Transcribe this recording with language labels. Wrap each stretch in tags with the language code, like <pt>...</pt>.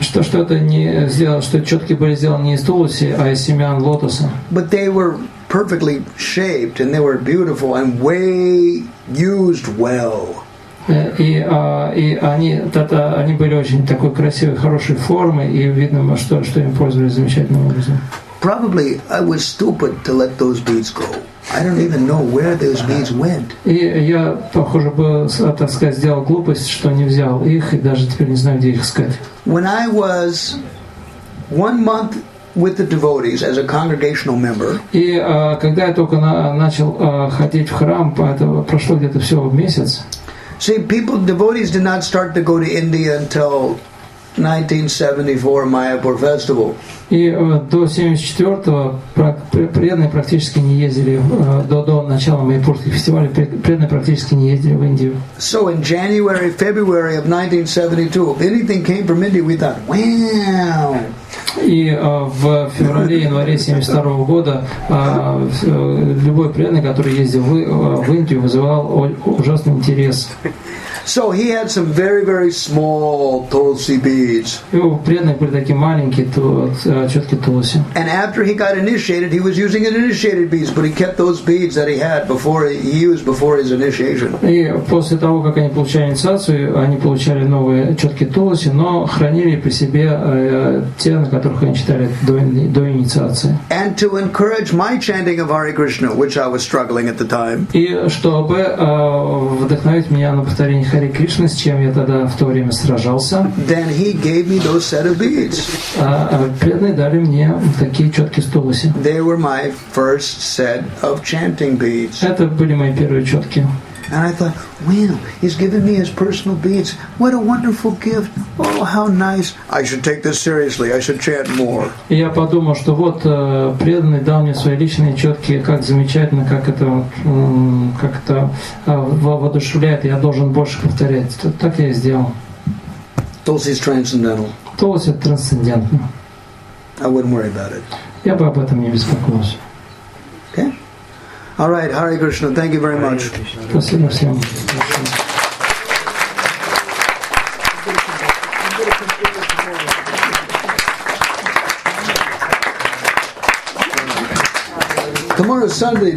<ru>Что это не сделал, что четки были сделаны не из тулси, а из семян лотоса.</ru> <en>But they were perfectly shaped and they were beautiful and way used well.</en> <ru>И они были очень такой красивой, хорошей формы, и видно, что им пользовались замечательным образом.</ru> <en>Probably I was stupid to let those beads go. I don't even know where those beads went.</en> <ru>И я, похоже, был, так сказать, сделал глупость, что не взял их, и даже теперь не знаю, где их искать.</ru> <en>When I was 1 month with the devotees as a congregational member.</en> <ru>И когда я только начал ходить в храм, поэтому прошло где-то всего месяц.</ru> <en>See, people, devotees did not start to go to India until 1974 Mayapur festival.</en> <ru>И до 74-го преданные практически не ездили до начала майпурских фестивалей преданные практически не ездили в Индию.</ru> <en>So in January, February of 1972, if anything came from India, we thought, wow.</en> <ru>И в феврале, январе 72-го года любой преданный, который ездил в Индию, вызывал ужасный интерес.</ru> <en>So he had some very, very small tulsi beads. And after he got initiated, he was using an initiated beads, but he kept those beads that he had before he used before his initiation.</en> <ru>И после того, как они получали инициацию, они получали новые четки тулси, но хранили при себе те, на которых они читали до инициации.</ru> <en>And to encourage my chanting of Hare Krishna, which I was struggling at the time.</en> <ru>И чтобы вдохновить меня на повторение Hare Krishna, с чем я тогда в то время сражался.</ru> <en>Then he gave me those set of beads.</en> <ru>Преданные дали мне такие четки тулси.</ru> <en>They were my first set of chanting beads.</en> <ru>Это были мои первые четки.</ru> <en>And I thought, wow, he's given me his personal beads. What a wonderful gift. Oh, how nice. I should take this seriously. I should chant more.</en> <ru>И я подумал, что вот преданный дал мне свои личные четки. Как замечательно, как это воодушевляет. Я должен больше повторять. Так я и сделал.</ru> <en>Tulsi is transcendental.</en> <ru>Tulsi это трансцендентно.</ru> <en>I wouldn't worry about it.</en> <ru>Я бы об этом не беспокоился.</ru> <en>Okay? All right, Hare Krishna, thank you very much.</en> <ru>Спасибо всем.</ru> <en>Tomorrow is Sunday.</en>